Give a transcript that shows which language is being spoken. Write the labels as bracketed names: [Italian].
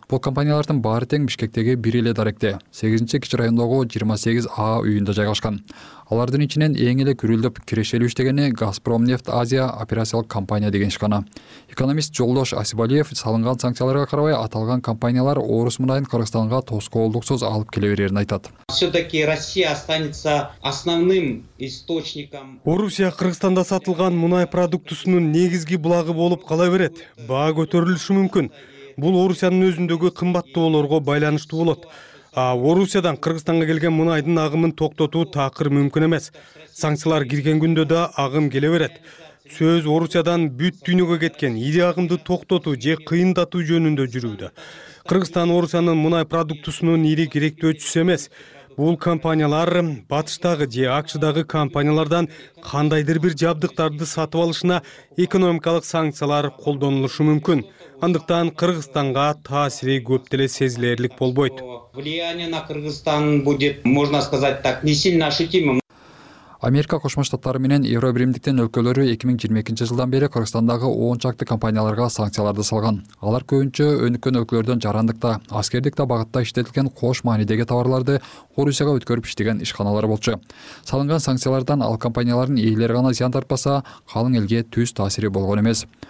[Kyrgyz] Бул компаниялардын баары тең Бишкектеги бир эле даректе, 8-кич райондогу 28 А үйүндө жайгашкан. Алардын ичинен эң эле күрүлдөп кирешелүү иштегени Газпром Нефть Азия операциялык компания деген ишкана. Экономист Жолдош Асибалиев салынган санкцияларга карабай аталган компаниялар орус мунайын Кыргызстанга тоскоолдуксуз алып келе берерин айтат. [Russian] Все-таки Россия останется основным источником. [Kyrgyz] Орусия Кыргызстанда сатылган мунай продуктусунун негизги булагы болуп кала берет. Баа көтөрүлүшү мүмкүн. Бул Орусиянын өзүндөгү кымбаттоолорго байланыштуу болот. А Орусиядан Кыргызстанга келген мунайдын агымын токтотуу такыр мүмкүн эмес. Санкциялар кирген күндө да агым келе берет. сөз Орусиядан бүт дүйнөгө кеткен идеагымды токтотуу же кыйындатуу жөнүндө жүрүүдө. Кыргызстан Орусиянын мунай продуктусунун ири керектөөчүсү эмес. Бул компаниялар батыштагы же акшыдагы компаниялардан кандайдыр бир жабдыктарды сатып алышына экономикалык санкциялар колдонулушу мүмкүн. Андыктан Кыргызстанга таасири көп деле сезилерлик болбойт. [Russian] Влияние на Кыргызстан будет, можно сказать так, не сильно ощутимым. [Kyrgyz] Америка Кошмо Штаттары менен Евробиримдиктин өлкөлөрү 2022 жылдан бери Кыргызстандагы 10 чакты компанияларга санкцияларды салган. Алар көбүнчө өнүккөн өлкөлөрдөн жарандыкта, аскердикте багытта иштетилген кош маанидеги товарларды Орусияга өткөрүп иштеген ишканалар болчу. Салынган санкциялардан ал компаниялардын ээлери гана зыян тартпаса, калың элге түз таасири болгон эмес.